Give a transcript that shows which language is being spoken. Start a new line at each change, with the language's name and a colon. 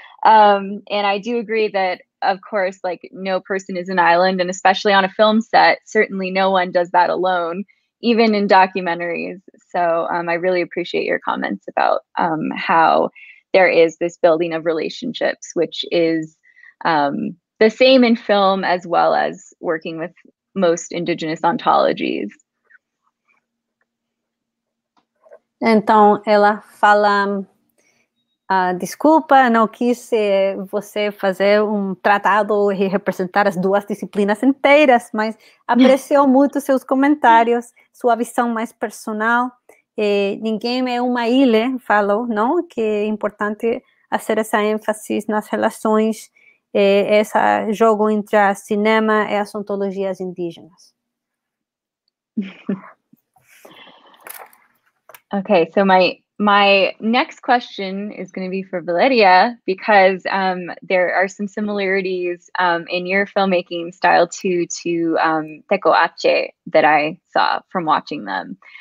English: And I do agree that, of course, like, no person is an island, and especially on a film set, certainly no one does that alone, even in documentaries. So I really appreciate your comments about how there is this building of relationships, which is the same in film as well as working with most Indigenous ontologies.
Portuguese: Então, ela fala, desculpa, não quis você fazer tratado e representar as duas disciplinas inteiras, mas apreciou muito seus comentários, sua visão mais personal. E ninguém é uma ilha, falou, não? Que é importante fazer essa ênfase nas relações, esse jogo entre o cinema e as ontologias indígenas.
English: Ok, so my next question is going to be for Valeriya, because there are some similarities in your filmmaking style to Teco Ache that I saw from watching them.